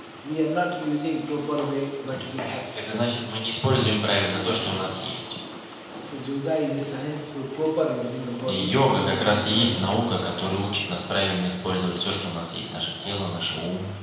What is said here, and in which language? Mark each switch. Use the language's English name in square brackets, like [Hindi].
[English] We are not using properly what we have. [Russian] Это значит, мы не используем правильно то, что у нас есть. [English] So yoga is a science for properly using the body. [Russian] И йога как раз и есть наука, которая учит нас правильно использовать все, что у нас есть, наше тело, наш ум.